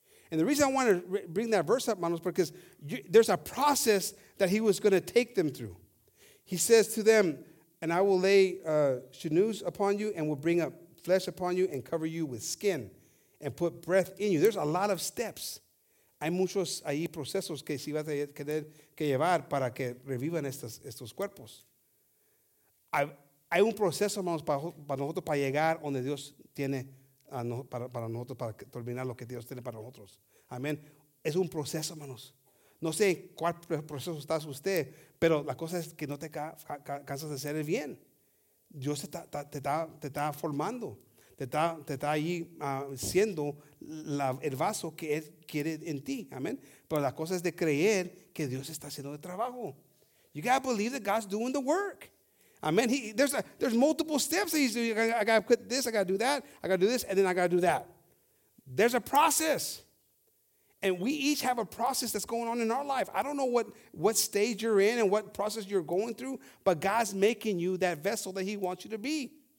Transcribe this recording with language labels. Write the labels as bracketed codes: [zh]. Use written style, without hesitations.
[en] And the reason I want to bring that verse up, manos, because there's a process that he was going to take them through. He says to them, and I will lay sinews upon you and will bring up flesh upon you and cover you with skin and put breath in you. There's a lot of steps. [es] Hay muchos ahí procesos que si vas a tener que llevar para que revivan estos cuerpos. Hay un proceso, hermanos, para nosotros para llegar donde Dios tiene para nosotros, para terminar lo que Dios tiene para nosotros. Amén. Es un proceso, hermanos. No sé en cuál proceso está usted, pero la cosa es que no te cansas de hacer el bien. Dios te está formando. Te está ahí siendo el vaso que Él quiere en ti. Amén. Pero la cosa es de creer que Dios está haciendo el trabajo. [en] You got to believe that God's doing the work. Amen. There's multiple steps that he's doing. I got to quit this, I got to do that, I got to do this, and then I got to do that. There's a process. And we each have a process that's going on in our life. I don't know what stage you're in and what process you're going through, but God's making you that vessel that he wants you to be.